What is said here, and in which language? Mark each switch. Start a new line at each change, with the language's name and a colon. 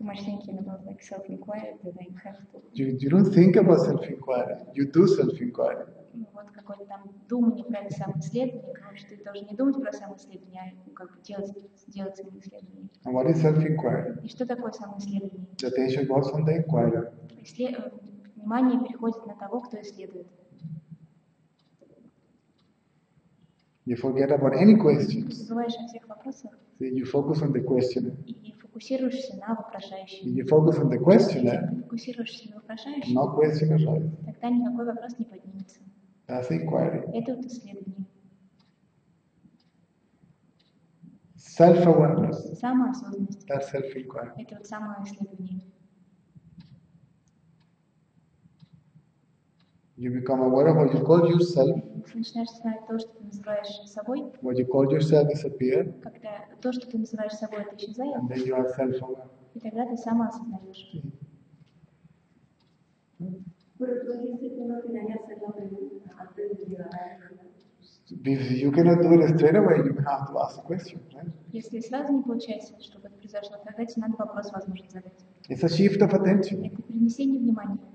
English: too much thinking about like self-inquiry, that I have to. You don't think about self-inquiry. You do self-inquiry.
Russian: Вот какое-то там думание про самоисследование, потому что ты должен не думать про самоисследование, а как бы делать самоисследование.
English: And what is self-inquiry?
Russian: И что такое самоисследование?
English: The attention goes on the inquirer.
Russian: Внимание переходит на того, кто исследует.
English: You forget about any questions.
Russian: Ты забываешь о всех вопросах.
English: So you focus on the questioner.
Russian: И фокусируешься на вопрошающем.
English: You focus on the questioner.
Russian: Фокусируешься на вопрошающем.
English: No question at all.
Russian: Тогда никакой вопрос не поднимется.
English: That's inquiry.
Russian: Это вот исследование.
English: Self-awareness.
Russian: Самоосознанность.
English: That's self-inquiry.
Russian: Это вот самоисследование.
English: You become aware of what you call yourself.
Russian: Ты начинаешь знать то, что ты называешь собой.
English: What you call yourself disappears.
Russian: Когда то, что ты называешь собой, это исчезает.
English: And then you are self-aware.
Russian: И тогда ты самоосознаешь.
English: If you cannot do it straight away, you have to ask a question, right?
Russian: Если сразу не получается, чтобы это произошло, тогда тебе надо вопрос, возможно, задать.
English: It's a shift of attention.
Russian: Это перенесение внимания.